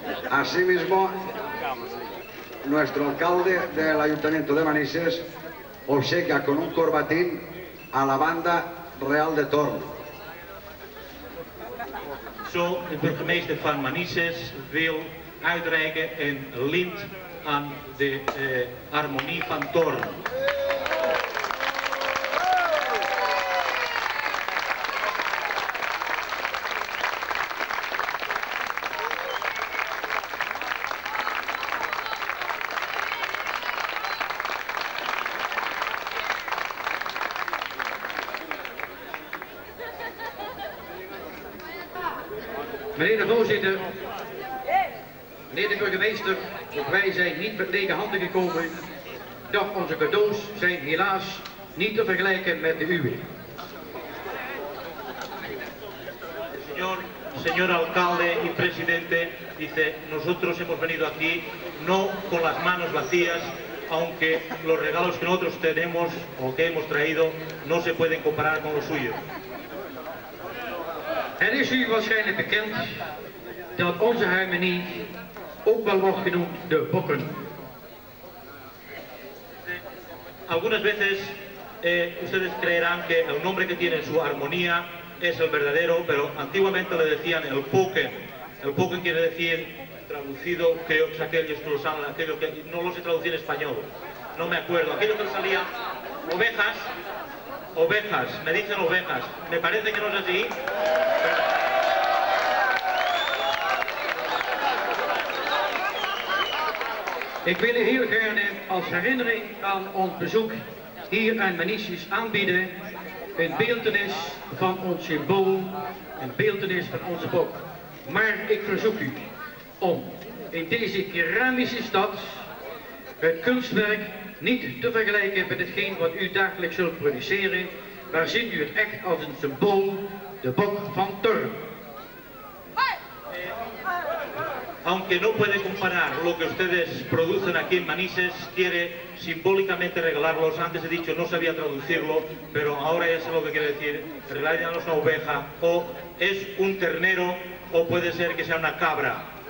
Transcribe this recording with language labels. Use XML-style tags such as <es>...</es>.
<es>Asimismo, nuestro alcalde del Ayuntamiento de Manises obsequia con un corbatín a la banda Real de Torn.</es> <nl>Zo, de burgemeester van Manises wil uitreiken een lint aan de harmonie van Torn. Meneer de voorzitter, meneer de burgemeester, ook wij zijn niet met lege handen gekomen, doch onze cadeaus zijn helaas niet te vergelijken met de uwe.</nl> <es>señor, señor alcalde y presidente, dice, nosotros hemos venido aquí no con las manos vacías, aunque los regalos que nosotros tenemos o que hemos traído no se pueden comparar con los suyos.</es> <nl>Er is u waarschijnlijk bekend dat onze harmonie ook wel wordt genoemd de bokken.</nl> <es>Algunas veces ustedes creerán que el nombre que tiene su armonía es el verdadero, pero antiguamente le decían el poken. El poken quiere decir, traducido, creo que es aquello que lo saben, aquello que no lo sé traducir en español, no me acuerdo. Aquello que salía, ovejas, ovejas, me dicen ovejas, me parece que no es así.</es> <nl>Ik wil u heel gerne als herinnering aan ons bezoek hier aan Manisjes aanbieden een beeltenis van ons symbool, een beeltenis van onze bok. Maar ik verzoek u om in deze keramische stad het kunstwerk niet te vergelijken met hetgeen wat u dagelijks zult produceren, maar ziet u het echt als een symbool, de bok van Turm.</nl> <es>Aunque no puede comparar lo que ustedes producen aquí en Manises, quiere simbólicamente regalarlos. Antes he dicho, no sabía traducirlo, pero ahora ya sé lo que quiere decir. Regalarnos una oveja, o es un ternero, o puede ser que sea una cabra.</es>